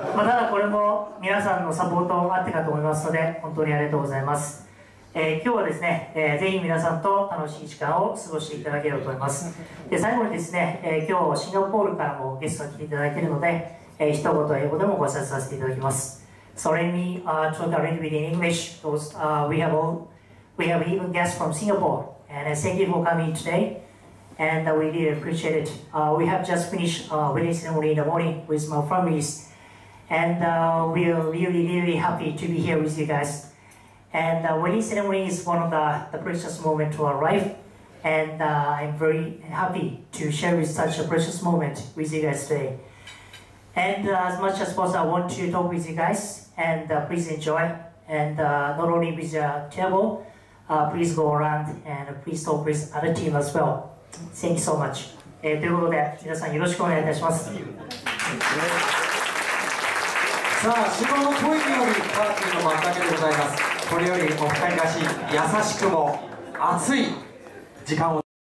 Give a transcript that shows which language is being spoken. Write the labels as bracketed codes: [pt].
[ja] まあ、ただこれも皆さんのサポートあってかと思いますので本当にありがとうございます。今日はですね、ぜひ皆さんと楽しい時間を過ごしていただければと思います。で最後にですね、今日シンガポールからもゲストが来ていただけるので、一言英語でもご挨拶させていただきます。 [en] So let me talk a little bit in English because we have even guests from Singapore and thank you for coming today and we really appreciate it. We have just finished our wedding ceremony in the morning with my families and we are really really happy to be here with you guysAnd the wedding ceremony is one of the precious moments to our life. And I'm very happy to share with such a precious moment with you guys today. And as much as possible, I want to talk with you guys. And please enjoy. And not only with your table, please go around and please talk with other team as well. Thank you so much. [ja] ということで、皆さんよろしくお願いいたします。さあ、シモの恋によりパーティーの幕開けでございます。これよりお二人らしい優しくも熱い時間を